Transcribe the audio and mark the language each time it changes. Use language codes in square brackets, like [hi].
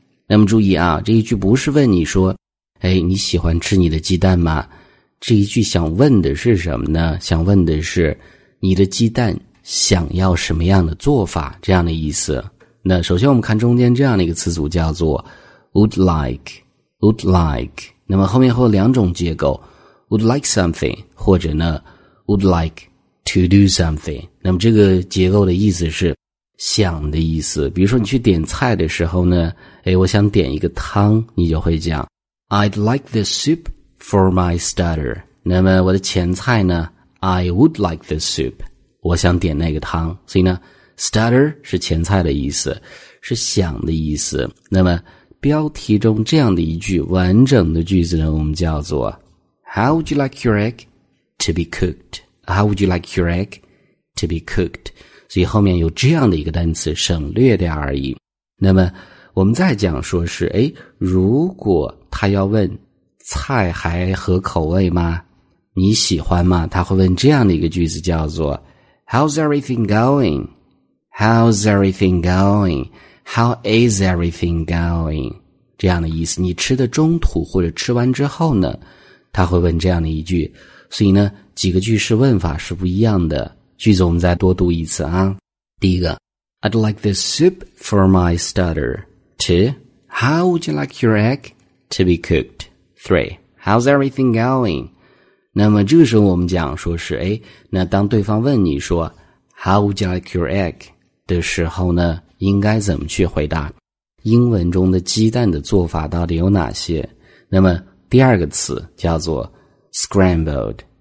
[zh] 那么注意啊，这一句不是问你说，哎，你喜欢吃你的鸡蛋吗？这一句想问的是什么呢？想问的是你的鸡蛋想要什么样的做法，这样的意思。那首先我们看中间这样的一个词组，叫做 would like。那么后面会有两种结构 ，would like something 或者呢 would like to do something。那么这个结构的意思是想的意思。比如说你去点菜的时候呢，哎，我想点一个汤，你就会讲 [en] I'd like the soup。 For my starter, [zh] 那么我的前菜呢 [en] ,I would like the soup, [zh] 我想点那个汤。所以呢 ,starter 是前菜的意思，是想的意思。那么标题中这样的一句完整的句子呢，我们叫做 [en] How would you like your egg to be cooked? How would you like your egg to be cooked? [zh] 所以后面有这样的一个单词，省略的而已。那么我们再讲说是，诶，如果他要问菜还合口味吗？你喜欢吗？他会问这样的一个句子，叫做 [en] How's everything going? How's everything going? How is everything going? [zh] 这样的意思，你吃的中途或者吃完之后呢，他会问这样的一句。所以呢，几个句式问法是不一样的。句子我们再多读一次啊。第一个 [en] I'd like the soup for my starter. 2. How would you like your egg to be cooked? 3. How's everything going? [zh] 那么这个时候我们讲说是，哎，那当对方问你说 [en] How would you like your egg? [zh] 的时候呢，应该怎么去回答？英文中的鸡蛋的做法到底有哪些？那么第二个词叫做 scrambled.